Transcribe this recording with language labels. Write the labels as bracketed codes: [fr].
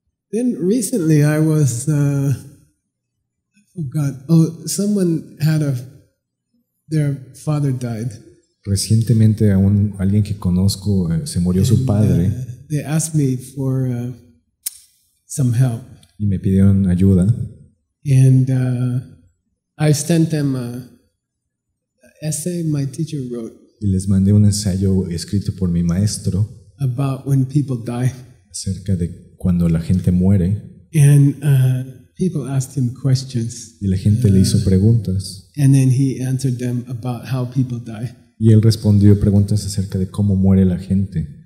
[en] Then recently I was someone had their father died. [es] Recientemente alguien que conozco se murió su padre. [en] They asked me for some help. [es] Y me pidieron ayuda. [en] And I sent them an essay my teacher wrote. [es] Y les mandé un ensayo escrito por mi maestro [en] about when people die. [es] Acerca de cuando la gente muere. [en] And people asked him questions. [es] Y la gente le hizo preguntas. [en] And then he answered them about how people die. [es] Y él respondió preguntas acerca de cómo muere la gente.